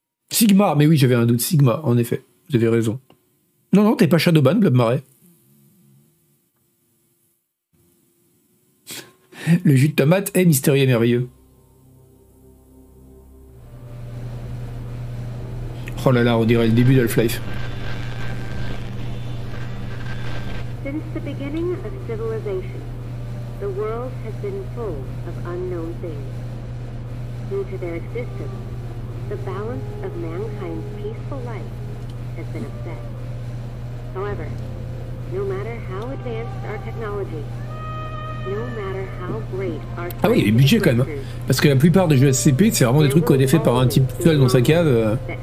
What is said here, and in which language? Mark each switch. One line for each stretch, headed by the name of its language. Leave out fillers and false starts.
French: Sigma, mais oui, j'avais un doute. Sigma, en effet. Vous avez raison. Non, non, t'es pas Shadowban, Blob Marais. Le jus de tomate est mystérieux et merveilleux. Oh là là, on dirait le début d'Half-Life.
English: Since the beginning of civilization, the world has been full of unknown things. Due to their existence, the balance of mankind's peaceful life has been upset. However, no matter how advanced our technology, no matter how great our...
French: Ah oui, il y a des budgets quand même. Parce que la plupart des jeux SCP, c'est vraiment des trucs qui ont été faits par un type seul dans sa cave.